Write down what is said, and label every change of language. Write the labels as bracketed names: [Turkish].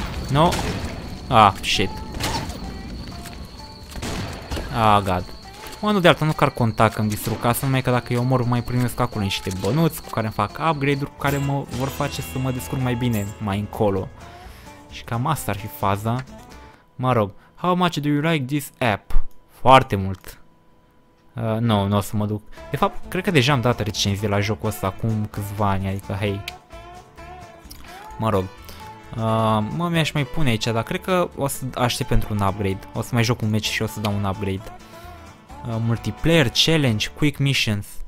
[English] No. Ah, shit. Ah, god. [Romanian] Mă, nu de altă, nu că ar conta că-mi distrug casa, numai că dacă eu mor, mai primesc acolo niște bănuți cu care îmi fac upgrade-uri, cu care mă vor face să mă descurc mai bine mai încolo. Și cam asta ar fi faza. Mă rog, [English] how much do you like this app? [Romanian] Foarte mult. Nu, nu o să mă duc. De fapt, cred că deja am dat recenzie la jocul ăsta acum câțiva ani, adică, hei. Mă rog. Mă, mi-aș mai pune aici, dar cred că o să aștept pentru un upgrade. O să mai joc un match și o să dau un upgrade. Multiplayer, challenge, quick missions.